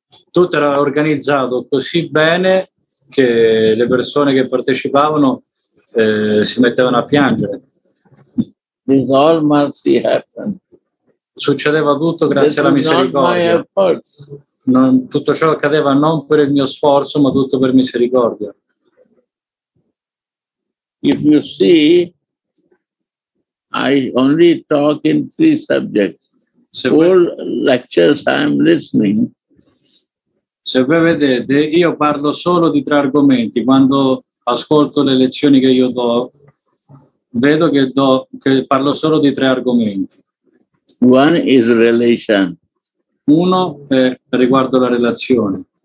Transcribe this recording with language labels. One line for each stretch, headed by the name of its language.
Italian: Tutto era organizzato così bene che le persone che partecipavano si mettevano a piangere.
English: This all mercy happened.
Italian: Succedeva tutto grazie alla misericordia. Non, tutto ciò accadeva non per il mio sforzo, ma tutto per misericordia.
English: If you see, I only talk in three subjects.
Italian: Se
English: all lectures I am listening.
Italian: Se voi vedete, io parlo solo di tre argomenti quando ascolto le lezioni che io do. vedo che, che parlo solo di tre argomenti.
English: One is relation.
Italian: Uno è riguardo la relazione.